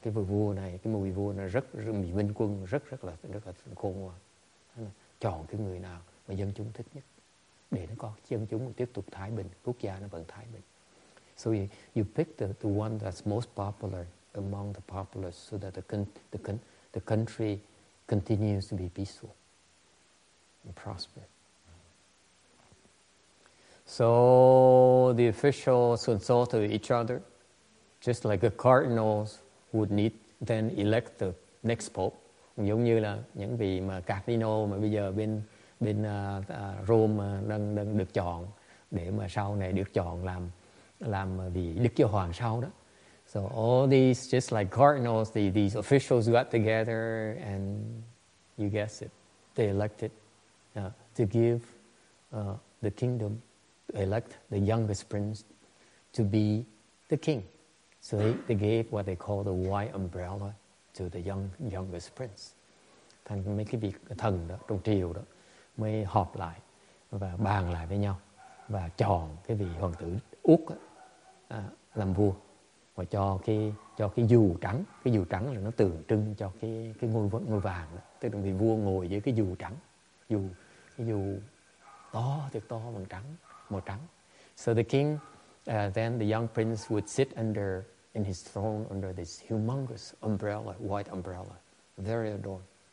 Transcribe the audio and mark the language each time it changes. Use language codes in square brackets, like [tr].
[vi] Cái vị vua này rất vị minh quân rất là khôn ngoan. Chọn cái người nào mà dân chúng thích nhất để nó có dân chúng tiếp tục thái bình, quốc gia nó vẫn thái bình. [en] So you pick the one that's most popular among the populace so that the country continues to be peaceful and prosper. So the officials consulted each other, just like the cardinals would need then elect the next pope. [vi] Giống như là những vị mà cardinal mà bây giờ bên Rome đang được chọn để mà sau này được chọn làm vị Đức Giáo Hoàng sau đó. [en] So all these, just like cardinals, these officials got together and you guess it, they elected to give the kingdom, elect the youngest prince to be the king. So they gave what they call the white umbrella to the youngest prince. [vi] Thành mấy cái vị thần đó, trong triều đó, mới họp lại và bàn lại với nhau và chọn cái vị hoàng tử Úc đó, làm vua và cho cái dù trắng. Cái dù trắng là nó tượng trưng cho cái ngôi vàng đó. Tức là vị vua ngồi với cái dù trắng. Cái dù to, thật to, bằng trắng, màu trắng. [en] So the king, then the young prince would sit under in his throne under this humongous umbrella, white umbrella, very adorned.